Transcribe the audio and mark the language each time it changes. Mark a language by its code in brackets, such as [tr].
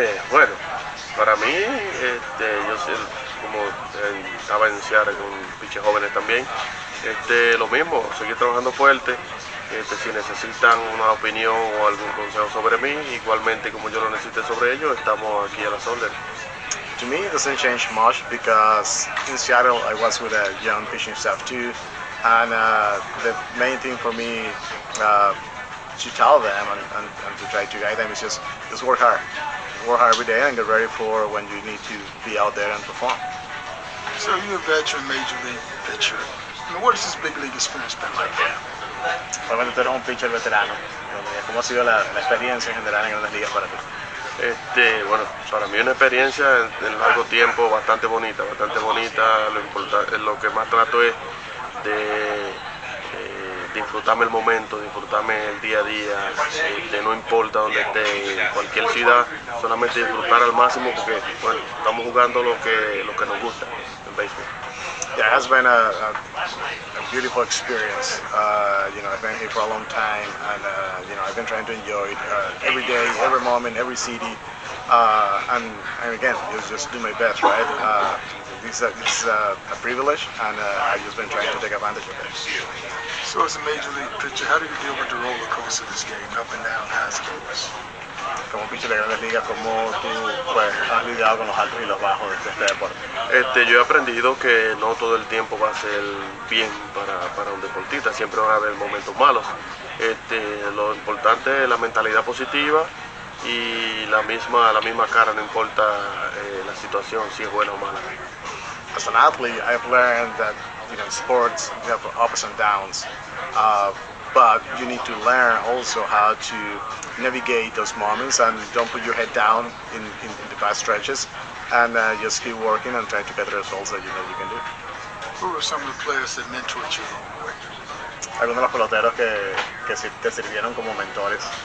[es] Bueno, para mí, yo siento como avanzar con pitchers jóvenes también. Lo mismo, seguir trabajando fuerte. Si necesitan una opinión o algún consejo sobre mí, igualmente como yo lo necesite sobre ellos, estamos aquí a las órdenes. [en] To me, it doesn't change much because in Seattle I was with a young pitching staff too, and the main thing for me to tell them and to try to guide them is just work hard. Work hard every day and get ready for when you need to be out there and perform. So you're a veteran major league pitcher. Now, what has this big league experience been like? [es] Realmente tú eres un pitcher veterano. ¿Cómo ha sido la experiencia en general en Grandes Ligas para ti? Bueno, para mí una experiencia en largo tiempo bastante bonita, bastante bonita. Lo que más trato es de disfrutarme el momento, disfrutarme el día a día, de no importa dónde esté, en cualquier ciudad, solamente disfrutar al máximo porque bueno, estamos jugando lo que nos gusta en béisbol. [en] Yeah, it has been a beautiful experience. You know, I've been here for a long time, and you know, I've been trying to enjoy it every day, every moment, every city. And again, just do my best, right? This is a privilege, and I've just been trying to take advantage of it. So, as a major league pitcher, how do you deal with the roller coaster of this game, up and down, highs and lows? [es] Como pitcher de Grandes Ligas, ¿cómo tú has lidiado con los altos y los bajos de este deporte? Yo he aprendido que no todo el tiempo va a ser bien para un deportista, siempre van a haber momentos malos. Lo importante es la mentalidad positiva y la misma cara, no importa la situación, si es buena o mala. [en] As an athlete, I've learned that, you know, sports have ups and downs. But you need to learn also how to navigate those moments and don't put your head down in the bad stretches, and just keep working and try to get the results that you know you can do. Who were some of the players that mentored you along the way? [es] ¿Alguno de los peloteros que te sirvieron como mentores?